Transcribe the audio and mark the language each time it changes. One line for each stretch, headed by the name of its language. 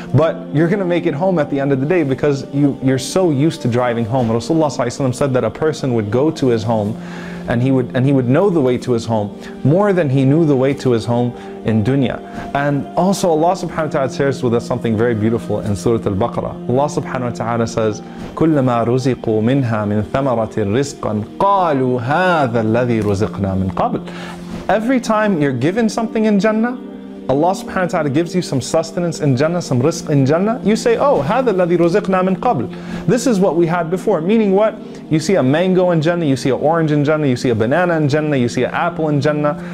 English: But you're gonna make it home at the end of the day because you're so used to driving home. Rasulullah ﷺ said that a person would go to his home and he would know the way to his home more than he knew the way to his home in dunya. And also Allah subhanahu wa ta'ala shares with us something very beautiful in Surah Al-Baqarah. Allah subhanahu wa ta'ala says,
Arabic: كُلَّمَا رُزِقُوا مِنْهَا مِنْ ثَمَرَةٍ رِزْقًا قَالُوا هَذَا الَّذِي رُزِقْنَا مِنْ قَبْلٍ.
English: Every time you're given something in Jannah, Allah subhanahu wa ta'ala gives you some sustenance in Jannah, some rizq in Jannah, you say, oh,
Arabic: هَذَا الَّذِي رُزِقْنَا مِنْ قَبْلٍ.
English: This is what we had before. Meaning what? You see a mango in Jannah, you see an orange in Jannah, you see a banana in Jannah, you see an apple in Jannah.